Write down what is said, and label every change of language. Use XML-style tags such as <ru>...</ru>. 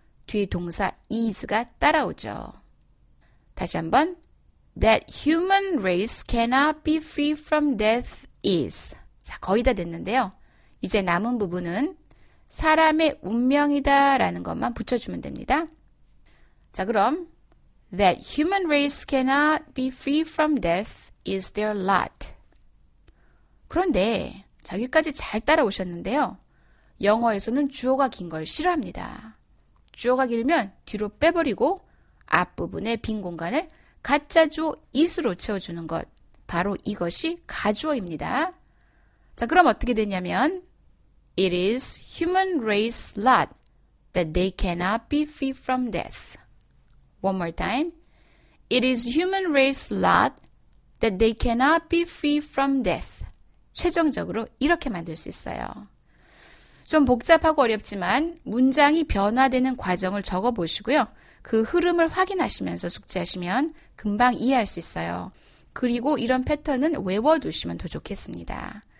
<ko>뒤 동사 is가 따라오죠. 다시 한번</ko> <en>That human race cannot be free from death is.</en> <ko>자, 거의 다 됐는데요. 이제 남은 부분은 사람의 운명이다 라는 것만 붙여주면 됩니다. 자, 그럼</ko> <en>That human race cannot be free from death is their lot.</en> <ko>그런데 여기까지 잘 따라오셨는데요. 영어에서는 주어가 긴 걸 싫어합니다. 주어가 길면 뒤로 빼버리고 앞부분의 빈 공간을 가짜 주어 is로 채워주는 것. 바로 이것이 가주어입니다. 자, 그럼 어떻게 되냐면</ko> <en>It is human race lot that they cannot be free from death. One more time. It is human race lot that they cannot be free from death.</en> <ko>최종적으로 이렇게 만들 수 있어요. 좀 복잡하고 어렵지만 문장이 변화되는 과정을 적어보시고요. 그 흐름을 확인하시면서 숙지하시면 금방 이해할 수 있어요. 그리고 이런 패턴은 외워두시면 더 좋겠습니다.</ko>